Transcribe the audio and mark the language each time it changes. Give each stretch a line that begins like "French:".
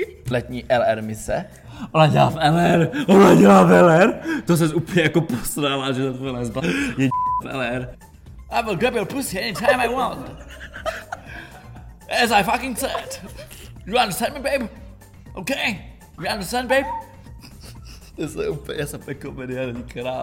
Czech: Letní LR mise. Ona dělá v LR, ona dělá v LR. To ses úplně jako posrala, že to tvoje lesba je v LR.
English: I will grab your pussy anytime I want. As I fucking said. You understand me, babe? Okay? You understand, babe?
Czech: To je úplně, já jsem pekomediální král.